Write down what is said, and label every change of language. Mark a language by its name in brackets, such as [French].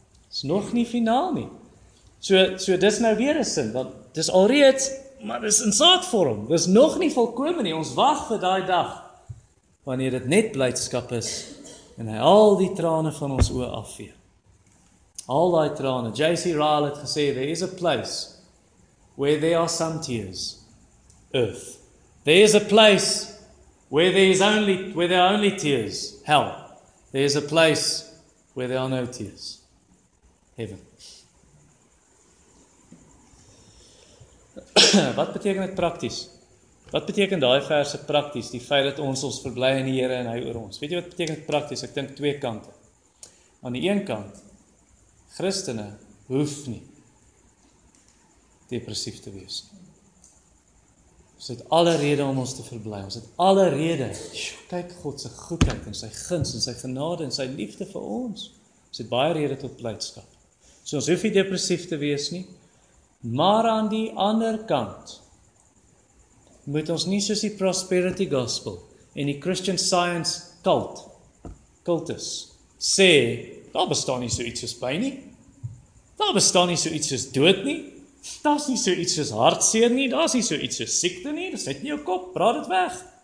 [Afrikaans] Is nog nie finaal nie. So dis nou weer 'n sin, want dis alreeds, maar dis in saadvorm. Dis nog nie volkome nie, ons wag vir daai dag, wanneer dit net blydskap is, en hy al die trane van ons oë afvee. Al die trane, J.C. [English] Ryle [Afrikaans] het gesê, [English] there is a place where there are some tears, earth. There is a place where there are only tears, hell. There is a place where there are no tears, heaven. [Afrikaans] Wat beteken dit prakties? Wat beteken daai verse prakties? Die feit dat ons verbly in die Here en hy oor ons. Weet jy wat beteken dit prakties? Ek dink twee kante. Aan die een kant, Christene hoef nie depressief te wees. Ons het alle rede om ons te verbly. Ons het alle rede. Kyk God se goedheid en sy guns en sy genade en sy liefde vir ons. Ons het baie rede tot blydskap. So ons hoef nie depressief te wees nie. Maar aan die ander kant moet ons nie soos die prosperity gospel en die Christian Science cultus sê, daar bestaan nie so iets soos pyn nie, daar bestaan nie so iets soos dood nie, daar is nie so iets soos hartseer nie, daar is nie so iets soos siekte nie, dit sit in jou kop, praat dit weg.